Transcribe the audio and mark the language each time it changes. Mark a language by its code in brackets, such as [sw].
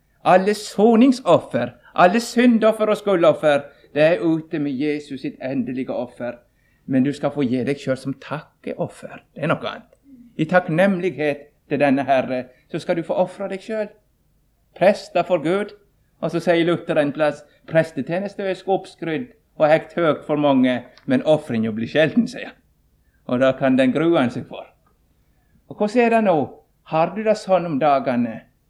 [sv] Alla soningsoffer, alla syndoffer och skuldoffer, det är ute med Jesus sitt ändliga offer. Men du ska få ge dig själv som tackeoffer. Det är något annat. I tacknämlighet till denna Herre så ska du få offra dig själv. Prästa för Gud. Och så säger Luther en plats, prästetjänst är skåpskrydd [no] og hekt høyt for mange, men offringen blir sjelden, sier han. Og da kan den grue han seg for. Og hvordan er det nå? Har du det sånn om dagene?